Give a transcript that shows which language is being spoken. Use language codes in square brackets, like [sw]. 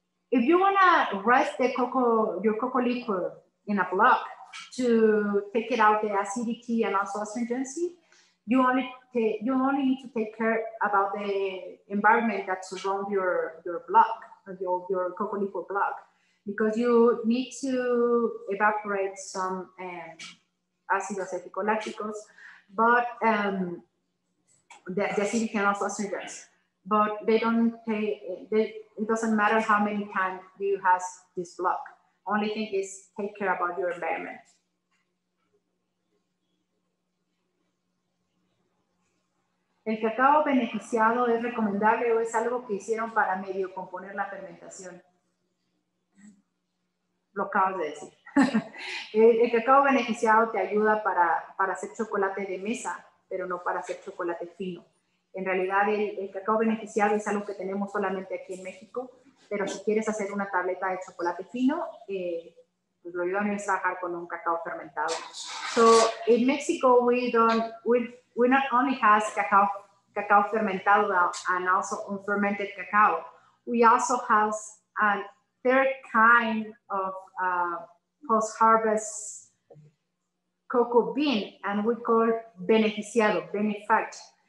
[en] If you want to rest the cocoa, your cocoa liquor in a block to take it out the acidity and also astringency, you only need to take care about the environment that surrounds your block, your cocoa liquor block, because you need to evaporate some acid acetic lacticals, but the acidity can also astringent, but they don't pay, it doesn't matter how many times you have this block. Only thing is take care about your environment. [es] El cacao beneficiado es recomendable o es algo que hicieron para medio componer la fermentación. Lo acabas de decir. El cacao beneficiado te ayuda para hacer chocolate de mesa, pero no para hacer chocolate fino. En realidad el cacao beneficiado es algo que tenemos solamente aquí en México, pero si quieres hacer una tableta de chocolate fino, pues lo iba a mensajar con un cacao fermentado. [en] So in Mexico we not only has cacao fermentado and also unfermented cacao, we also has a third kind of post-harvest cocoa bean, and we call beneficiado, benefact.